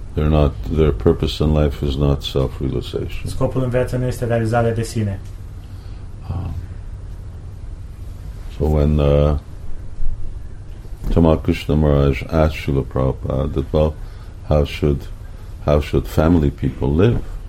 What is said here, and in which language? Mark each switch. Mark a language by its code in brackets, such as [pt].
[en] They're not, their purpose in life is not self-realization. [ro] Scopul în viață nu este realizarea de sine. [en] So when Tamakrishna Maharaj asked Srila Prabhupada that, well, how should family people live?